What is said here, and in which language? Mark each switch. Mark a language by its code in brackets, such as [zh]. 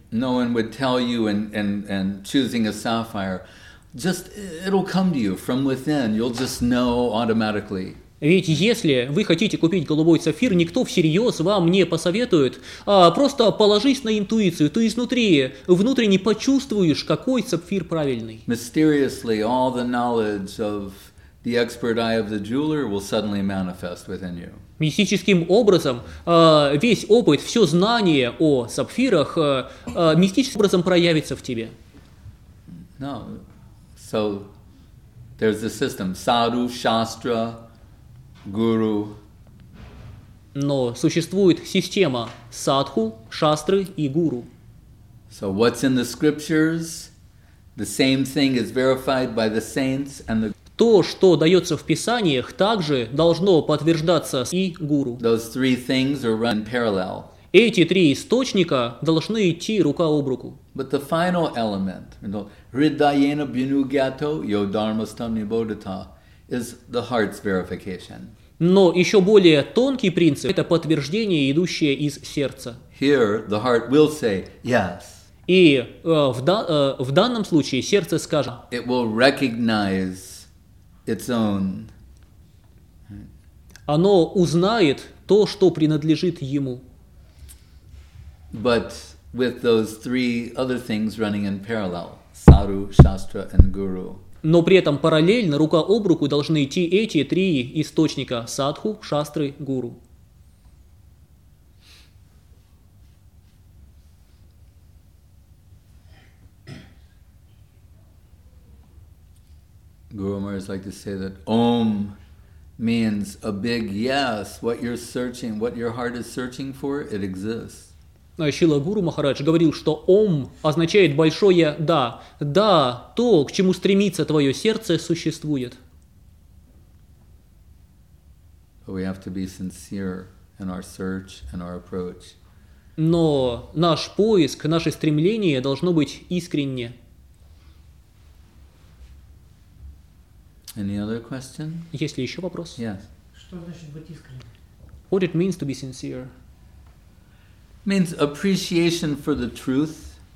[en] No one would tell you in choosing a sapphire, just it'll come to you from within, you'll just know automatically. [ru] Ведь если вы хотите купить голубой сапфир, никто всерьез вам не посоветует, а просто положись на интуицию, ты изнутри, внутренне почувствуешь, какой сапфир правильный. [en] Mysteriously, all the knowledge of the expert eye of the jeweler will suddenly manifest within you. [ru] Мистическим образом, весь опыт, все знание о сапфирах, мистическим образом проявится в тебе. [en] No, so there's the system, sadhu, shastra, Guru. [ru] Но существует система садху, шастры и гуру. [en] So what's in the scriptures? The same thing is verified by the saints and the. [ru] То, что дается в писаниях, также должно подтверждаться и гуру. [en] Those three things are run in parallel. [ru] Эти три источника должны идти рука об руку. [en] But the final element, [sa] riddhayena bhinugyato yo dharmastam nibodhita, [en] is the heart's verification. [ru] Но еще более тонкий принцип – это подтверждение, идущее из сердца. [en] Here the heart will say yes. [ru] И в данном случае сердце скажет. [en] It will recognize its own. [ru] Оно узнает то, что принадлежит ему. [en] But with those three other things running in parallel – sadhu, shastra, and guru – [ru] но при этом параллельно, рука об руку, должны идти эти три источника – садху, шастры, гуру. [en] Guru Maharaj like to say that Om means a big yes. What you're searching, what your heart is searching for, it exists. [ru] Шрила Гуру Махарадж говорил, что Ом означает большое да. Да, то, к чему стремится твое сердце, существует. [en] We have to be sincere in our search and our approach. [ru] Но наш поиск, наше стремление должно быть искренне. [en] Any other question? [ru] Есть ли еще вопрос? [en] Yes. [ru] Что значит быть искренним? [en] What it means to be sincere? Means appreciation for the truth.